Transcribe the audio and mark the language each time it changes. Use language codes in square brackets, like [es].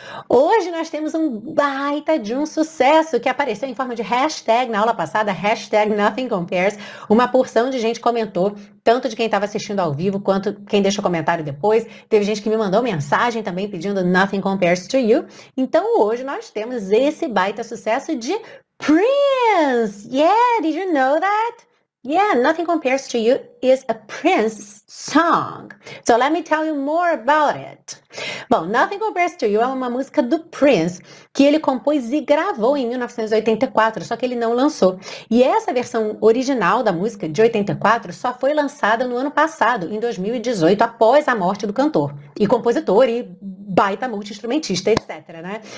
[pt] Hoje nós temos um baita de um sucesso que apareceu em forma de hashtag na aula passada, hashtag Nothing Compares. Uma porção de gente comentou, tanto de quem estava assistindo ao vivo quanto quem deixou comentário depois. Teve gente que me mandou mensagem também pedindo Nothing Compares to You. Então hoje nós temos esse baita sucesso de Prince! [en] Yeah, did you know that? Yeah, Nothing Compares to You is a Prince song. So let me tell you more about it. [pt] Bom, Nothing Compares to You é uma música do Prince que ele compôs e gravou em 1984, só que ele não lançou. E essa versão original da música de 84 só foi lançada no ano passado, em 2018, após a morte do cantor e compositor e baita multi-instrumentista, etc, né?